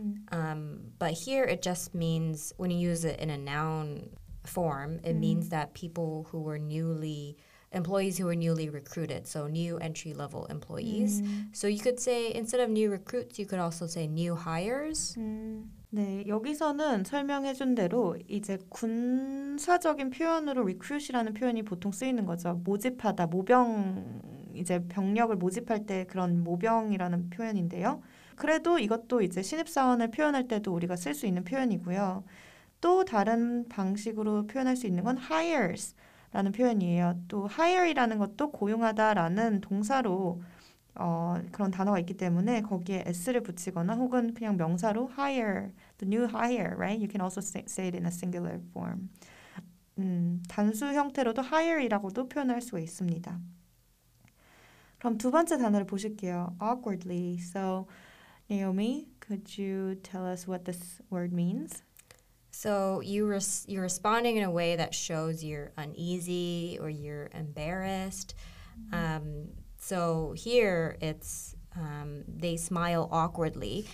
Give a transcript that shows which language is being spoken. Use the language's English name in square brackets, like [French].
[English] But here it just means, when you use it in a noun form, it means that people who were newly, employees who were newly recruited, so new entry level employees. So you could say, instead of new recruits, you could also say new hires. [Korean] 네, 여기서는 설명해 준 대로 이제 군사적인 표현으로 recruit이라는 표현이 보통 쓰이는 거죠. 모집하다, 모병, 이제 병력을 모집할 때 그런 모병이라는 표현인데요. 그래도 이것도 이제 신입사원을 표현할 때도 우리가 쓸 수 있는 표현이고요. 또 다른 방식으로 표현할 수 있는 건 hires라는 표현이에요. 또 hire이라는 것도 고용하다라는 동사로 그런 단어가 있기 때문에 거기에 s를 붙이거나 혹은 그냥 명사로 hire, [English] the new hire, right? You can also say it in a singular form. [Korean] 단수 형태로도 hire이라고도 표현할 수 있습니다. 그럼 두 번째 단어를 보실게요. [English] awkwardly. So, Naomi, could you tell us what this word means? So, you're responding in a way that shows you're uneasy or you're embarrassed. So here it's they smile awkwardly.